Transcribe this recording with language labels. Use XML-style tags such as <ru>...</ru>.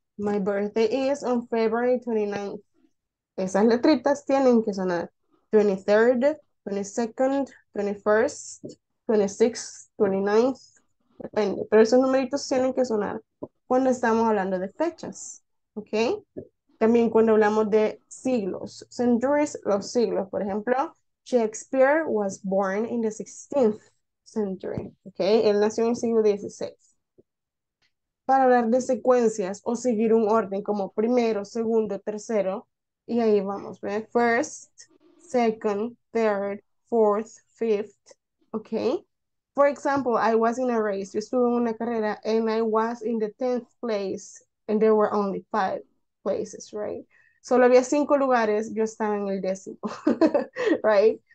<en>My birthday is on February 29th.</en> <es>Esas letritas tienen que sonar</es> <en>23rd, 22nd, 21st, 26th, 29th.</en> <es>Depende. Pero esos numeritos tienen que sonar cuando estamos hablando de fechas. ¿Ok? También cuando hablamos de siglos. Centuries, los siglos. Por ejemplo,</es> <en>Shakespeare was born in the 16th century.</en> <es>¿Ok? Él nació en el siglo XVI. Para hablar de secuencias o seguir un orden como primero, segundo, tercero, y ahí vamos, ¿ve?</es> <en>First, second, third, fourth, fifth, ¿ok? For example, I was in a race,</en> <es>yo estuve en una carrera,</es> <en>and I was in the 10th place, and there were only 5 places, right?</en> <es>Solo había 5 lugares, yo estaba en el décimo, right?</es>